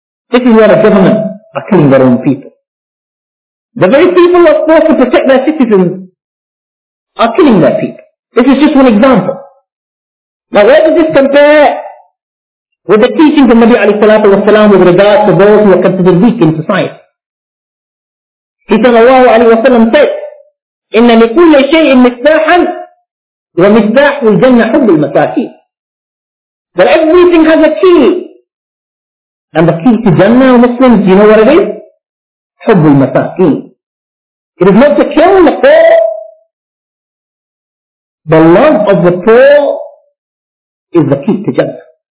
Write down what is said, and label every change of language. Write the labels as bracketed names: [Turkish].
[English] This is where the government are killing their own people. The very people who are supposed to protect their citizens are killing their people. This is just one example. Now where does this compare with the teachings of Nabi alayhi salatu wa salam with regards to those who are considered weak in society? He sallallahu alayhi wa sallam said, [Arabic] إِنَّ لِكُلَّ شَيْءٍ مِصْدَاحًا وَمِصْدَاحُ الْجَنَّ حُبُّ الْمَسَاكِينَ. [English] That everything has a key. And the key to Jannah, Muslims, do you know what it is? [Arabic] حُبُّ الْمَسَاكِينَ. [English] It is not to kill the poor. The love of the poor is the key to Jannah.